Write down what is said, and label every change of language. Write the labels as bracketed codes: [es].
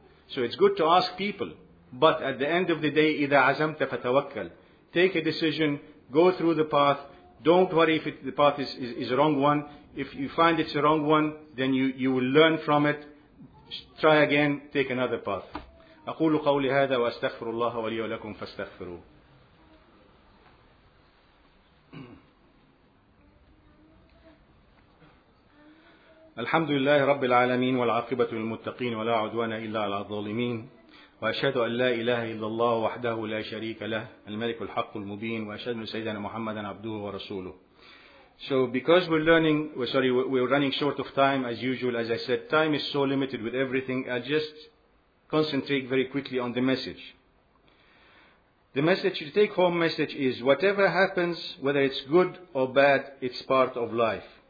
[en] So it's good to ask people. But at the end of the day, [ar] إِذَا عَزَمْتَ فَتَوَكَّلْ. [en] Take a decision, go through the path. Don't worry if the path is a wrong one. If you find it's a wrong one, then you will learn from it. Try again, take another path. [ar] أقول قولي هذا وأستغفر الله ولي ولكم فاستغفروه. الحمد لله رب العالمين والعاقبة للمتقين ولا عدوان إلا على الظالمين. وأشهد أن لا إله إلا الله وحده لا شريك له الملك الحق المبين وأشهد أن سيدنا محمدا عبده ورسوله. [en] So because we're running short of time as usual, as I said, time is so limited with everything, I'll just concentrate very quickly on the message. The message, the take home message is, whatever happens, whether it's good or bad, it's part of life.